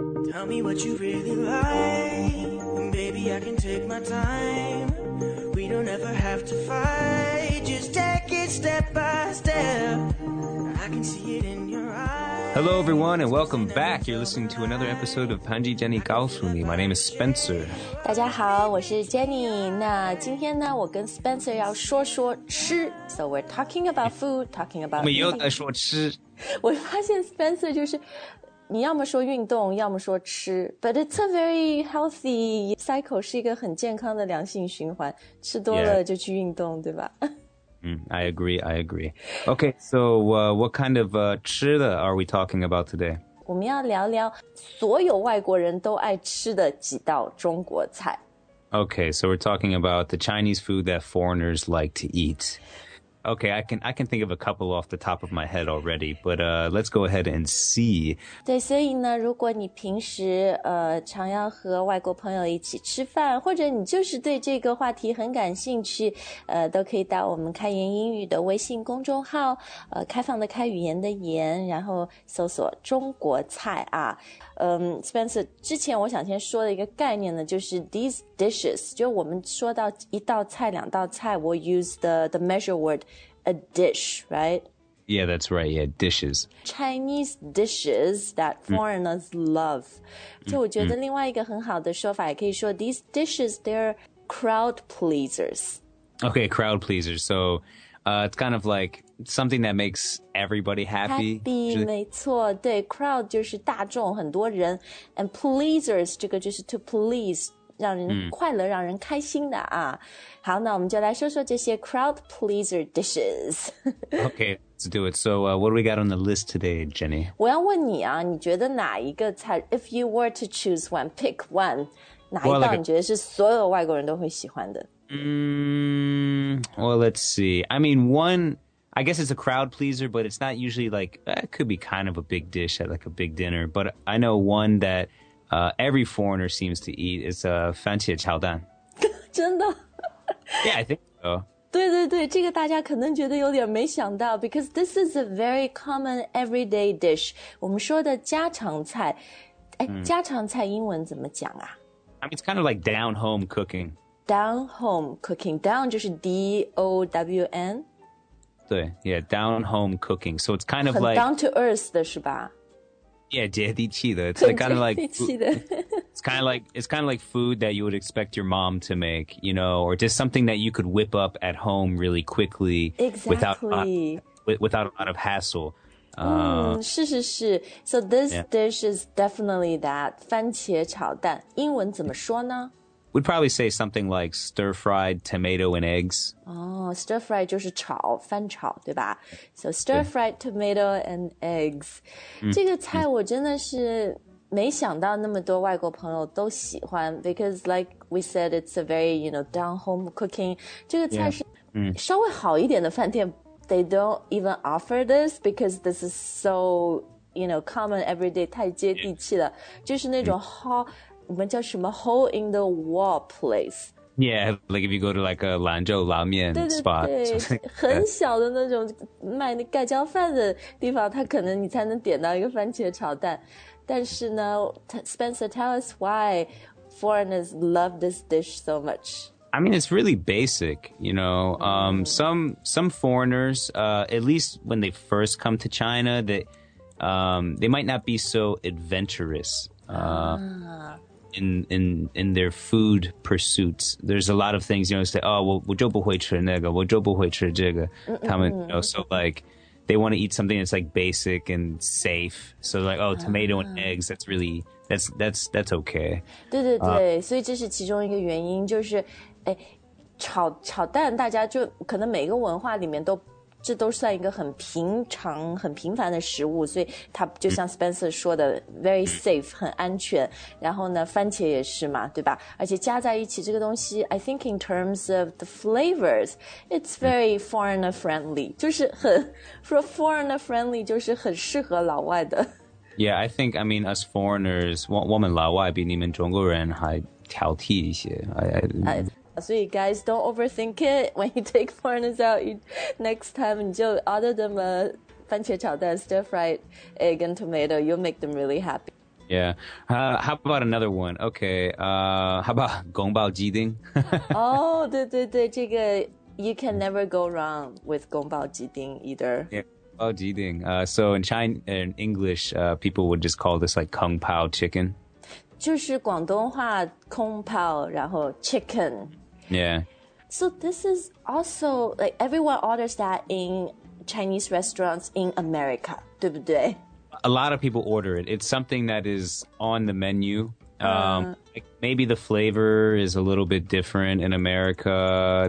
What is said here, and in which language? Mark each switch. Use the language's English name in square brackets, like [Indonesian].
[English] Tell me what you really like. Baby, I can take my time. We don't ever have to fight. Just take it step by step. I can see it in your eyes. Hello, everyone, and welcome back. You're listening to another episode of Panji Jenny [Chinese] 告诉你. [English] My name is Spencer. [Chinese] 大家好，我是 Jenny. 那今天呢，我跟 Spencer 要说说吃。 [English] So we're talking about food, talking about eating. [Chinese] 我们又在说吃。我发现 Spencer 就是你要么说运动，要么说吃 ， [English] but it's a very healthy cycle， [Chinese] 是一个很健康的良性循环。吃多了就去运动， [English] yeah. [Chinese] 对吧？ [English] I agree. I agree. Okay, so what kind of [Chinese] 吃的 [English] are we talking about today? [Chinese] 我们要聊聊所有外国人都爱吃的几道中国菜。 [English] Okay, so we're talking about the Chinese food that foreigners like to eat. Okay, I can think of a couple off the top of my head already, but let's go ahead and see. [Chinese] 对，所以呢，如果你平时常要和外国朋友一起吃饭，或者你就是对这个话题很感兴趣，都可以到我们开言英语的微信公众号，开放的开语言的言，然后搜索中国菜啊。 Spencer, 之前我想先说的一个概念呢，就是 [English] these dishes, [Chinese] 就我们说到一道菜、两道菜 [English] we'll use the measure word a dish, right? Yeah, that's right, yeah, dishes. Chinese dishes that foreigners love. [Chinese] 就我觉得另外一个很好的说法也可以说 [English] these dishes, they're crowd pleasers. Okay, crowd pleasers, so... it's kind of like something that makes everybody happy. [Chinese] Happy, 没错，对 ,crowd 就是大众很多人 and pleasers 这个就是 [English] to please, [Chinese] 让人快乐让人开心的啊。好那我们就来说说这些 crowd pleaser dishes. [English] Okay, let's do it. So what do we got on the list today, Jenny? [Chinese] 我要问你啊你觉得哪一个菜 [English] if you were to choose one, pick one, [Chinese] 哪一道你觉得是所有外国人都会喜欢的 [English] Well, let's see. I mean, one, I guess it's a crowd pleaser, but it's not usually like, it could be kind of a big dish at like a big dinner. But I know one that every foreigner seems to eat is a fan jie chao dan. [Chinese] 真的? [English] Yeah, I think so. [Chinese] 对对对这个大家可能觉得有点没想到 [English] because this is a very common everyday dish. [Chinese] 我们说的家常菜。家常菜英文怎么讲啊? [English] I mean, it's kind of like down home cooking. Down home cooking. [Chinese] Down 就是 D-O-W-N? [English] 对 yeah, down home cooking. So it's kind of like... down to earth [Chinese] 的是吧 [English] Yeah, [Chinese] 接地气的 [English] It's like, kind of like... [Chinese] 接地气的 [English] it's kind of like food that you would expect your mom to make, you know, or just something that you could whip up at home really quickly. Exactly. Without a lot of hassle. 是是是 So this dish is definitely that. [Chinese] 番茄炒蛋英文怎么说呢 [English] We'd probably say something like stir-fried tomato and eggs. [Chinese] Oh, stir-fried 就是炒,翻炒,对吧? [English] So stir-fried tomato and eggs. [Chinese] 这个菜我真的是没想到那么多外国朋友都喜欢 [English] because like we said, it's a very, you know, down-home cooking. [Chinese] 这个菜是稍微好一点的饭店, [English] they don't even offer this because this is so, you know, common everyday, [Chinese] 太接地气了。就是那种好我们叫什么 [English] hole in the wall place. Yeah, like if you go to like a 兰州拉面 spot. [Chinese] 对对对很小的那种卖那盖浇饭的地方它可能你才能点到一个番茄炒蛋。但是呢 [English] Spencer, tell us why foreigners love this dish so much. I mean, it's really basic, you know. Some foreigners, at least when they first come to China, they might not be so adventurous. In their food pursuits. There's a lot of things, you know, say, oh, [Chinese] 我就不会吃那个,我就不会吃这个。 [English] 他们, you know, so like, they want to eat something that's like basic and safe. So like, oh, tomato and eggs, that's okay. [Chinese] 对对对,所以这是其中一个原因,就是,炒蛋大家就可能每个文化里面都这都算一个很平常很平凡的食物所以它就像 Spencer 说的 [English] very safe [Chinese] 很安全然后呢番茄也是嘛对吧而且加在一起这个东西 [English] I think in terms of the flavors it's very foreigner friendly [Chinese] 就是很 for foreigner friendly 就是很适合老外的 [English] Yeah I think I mean us foreigners [Chinese] 我们老外比你们中国人还挑剔一些 [English] 所以 guys, don't overthink it. When you take foreigners out, next time, [Chinese] 你就 [English] order them a 番茄炒蛋 stir-fried egg and tomato, you'll make them really happy. Yeah. How about another one? Okay. How about 宫保鸡丁? Oh, 对对对,这个, you can never go wrong with 宫保鸡丁 either. Yeah. Oh, jiding. So in China, in English, people would just call this like kung pao chicken. [Chinese] 就是广东话, kung pao, 然后 chicken. [English] Yeah. So this is also like everyone orders that in Chinese restaurants in America, [Chinese] 对不对? [English] A lot of people order it. It's something that is on the menu. Maybe the flavor is a little bit different in America.